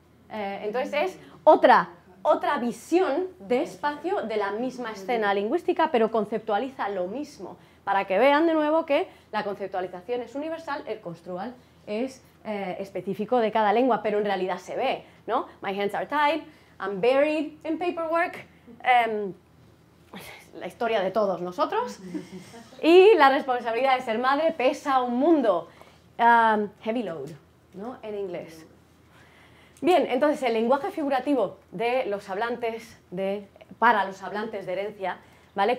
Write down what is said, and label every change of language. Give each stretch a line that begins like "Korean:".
Spanish: Entonces es otra visión de espacio de la misma escena lingüística, pero conceptualiza lo mismo, para que vean de nuevo que la conceptualización es universal, el construal es específico de cada lengua, pero en realidad se ve, ¿no?
English: My hands are tied, I'm buried in paperwork.
Spanish: La historia de todos nosotros. Y la responsabilidad de ser madre pesa un mundo.
English: Heavy load,
Spanish: ¿no? En inglés. Bien, entonces el lenguaje figurativo de los hablantes, para los hablantes de herencia, ¿vale?